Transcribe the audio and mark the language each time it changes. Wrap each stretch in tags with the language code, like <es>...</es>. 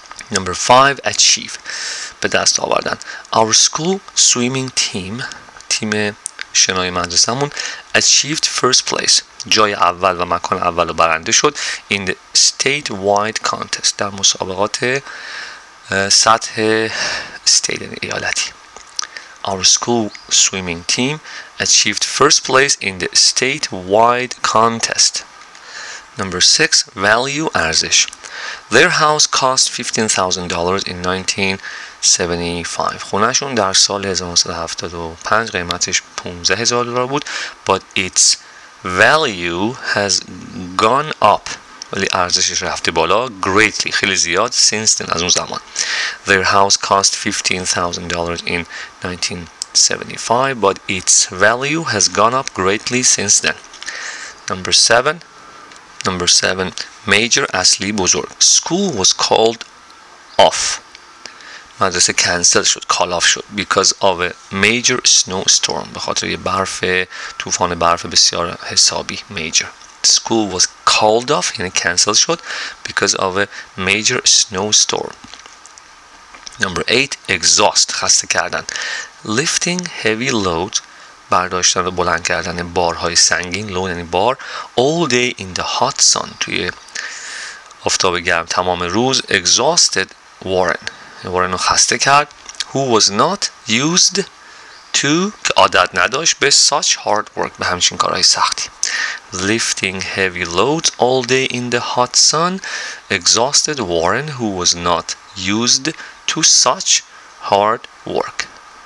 <en>Number 5, achieve.</en> <fa>به دست آوردن.</fa> <en>Our school swimming team</en> <fa>شنای مدرسه‌مون</fa> <en>achieved first place.</en> <fa>جای اول و مکان اول رو برنده شد</fa> <en>in the state wide contest,</en> <fa>در مسابقات سطح استیت ایالتی.</fa> <en>Our school swimming team achieved first place in the state-wide contest. Number 6, value,</en> <fa>ارزش.</fa> <en>Their house cost $15,000 in 1975.</en> <fa>خونهشون در سال 1975 قیمتش $15,000 بود,</fa> <en>but its value has gone up.</en> <fa>ولی ارزشش رفته بالا</fa> <en>greatly,</en> <fa>خیلی زیاد,</fa> <en>since then,</en> <fa>از اون زمان.</fa> <en>Their house cost $15,000 in 1975, but its value has gone up greatly since then. Number seven, major,</en> <fa>اصلی, بزرگ.</fa> <en>School was called off.</en> <fa>مدرسه</fa> <en>cancel</en> <fa>شد,</fa> <en>call off شد, because of a major snowstorm.</en> <fa>به خاطر یه برف, طوفان برف بسیار حسابی, major.</fa> <en>School was called off,</en> <fa>یعنی</fa> <en>cancel</en> <fa>شد,</fa> <en>because of a major snowstorm. Number 8, exhaust,</en> <fa>خسته کردن.</fa> <en>Lifting heavy load,</en> <fa>برداشتن و بلند کردن بارهای سنگین, load یعنی بار,</fa> <en>all day in the hot sun,</en> <fa>توی آفتاب گرم تمام روز,</fa> <en>exhausted Warren</en> <fa>رو خسته کرد,</fa> <en>who was not used to,</en> <fa>که عادت نداشت به</fa> <en>such hard work,</en> <fa>به همچین کارهای سختی.</fa> <en>Lifting heavy loads all day in the hot sun exhausted Warren, who was not used to such hard work.</en>